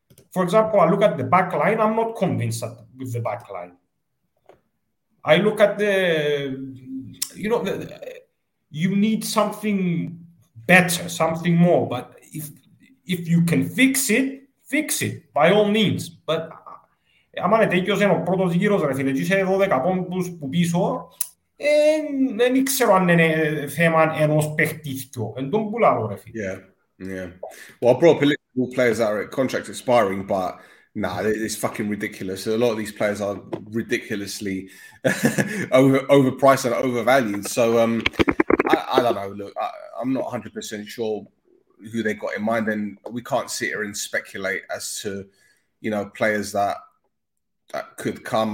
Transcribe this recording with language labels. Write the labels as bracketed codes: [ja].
[en] For example, I look at the back line. I'm not convinced with the back line. I look at the, you know, you need something better, something more. But if you can fix it, fix it, by all means. [el] But άμανε τέτοιος είναι ο πρώτος γύρος, ρε φίλε, είσαι 12 πόντους που πίσω, δεν ξέρω αν είναι θέμα ενός παιχτήθηκο. Εν τον πουλάω, ρε φίλε. [en] Yeah. Well, I brought up a list of all players that are at contract expiring, but nah, it's fucking ridiculous. A lot of these players are ridiculously overpriced and overvalued. So I don't know. Look, I'm not 100% sure who they got in mind, and we can't sit here and speculate as to, you know, players that could come.